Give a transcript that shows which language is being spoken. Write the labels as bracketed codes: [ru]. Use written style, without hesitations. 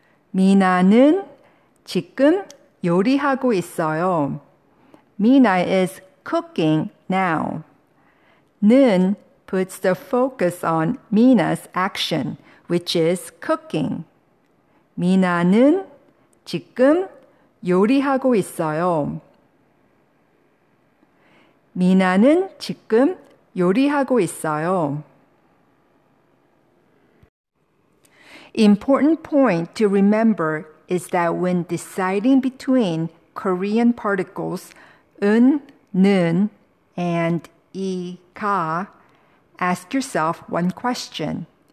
[ko] 미나는 지금 요리하고 있어요. 미나 [en] is cooking now. [ko] 는 [en] puts the focus on Mina's action, which is cooking. [ko] 미나는 지금 요리하고 있어요. 미나는 지금 요리하고 있어요. [en] Important point to remember is that when deciding between Korean particles [ko] 은, 는, and 이, 가, [en] ask yourself one question.